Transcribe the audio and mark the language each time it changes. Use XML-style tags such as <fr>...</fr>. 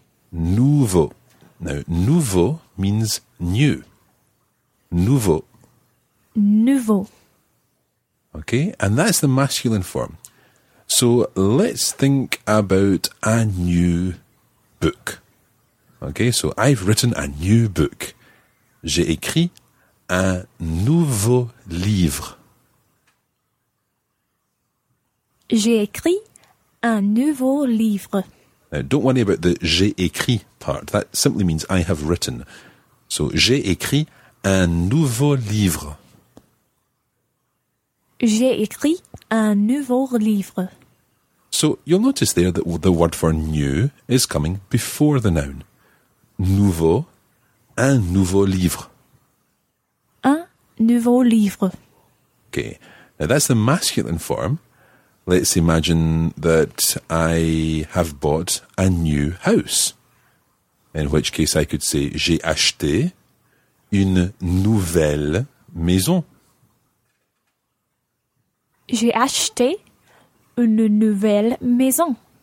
<en>Nouveau. Now, nouveau means new. Nouveau.</en> <fr>Nouveau.</fr> <en>Okay, and that's the masculine form. So let's think about a new book. Okay, so I've written a new book.</en> <fr>J'ai écrit un nouveau livre. J'ai écrit un nouveau livre.</fr> <en>Now, don't worry about the j'ai écrit part. That simply means I have written.</en> <fr>So, j'ai écrit un nouveau livre. J'ai écrit un nouveau livre.</fr> <en>So, you'll notice there that the word for new is coming before the noun.</en> <fr>Nouveau, un nouveau livre. Un nouveau livre.</fr> <en>Okay. Now, that's the masculine form. Let's imagine that I have bought a new house. In which case I could say,</en> <fr>j'ai acheté une nouvelle maison. J'ai acheté une nouvelle maison.</fr>